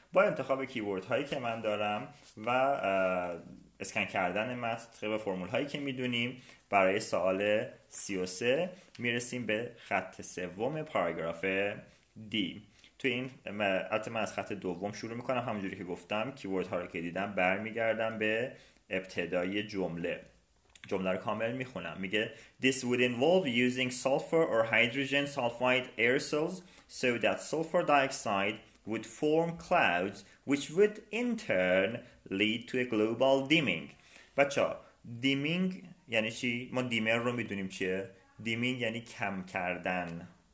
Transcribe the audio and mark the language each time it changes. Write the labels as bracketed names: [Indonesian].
[Persian] با انتخاب کیورد هایی که من دارم و اسکن کردن متن طبق فرمول هایی که میدونیم، برای سوال 33 میرسیم به خط سوم پاراگراف دی. تو این البته من از خط دوم شروع میکنم، همونجوری که گفتم کیورد ها رو که دیدم برمیگردم به ابتدای جمله، جمله رو کامل میخونم. میگه [English] this would involve using sulfur or hydrogen sulfide aerosols so that sulfur dioxide would form clouds which would in turn lead to a global dimming. [Persian] بچه ها دیمینگ یعنی چی؟ ما دیمر رو میدونیم چیه؟ دیمین یعنی کم کردن.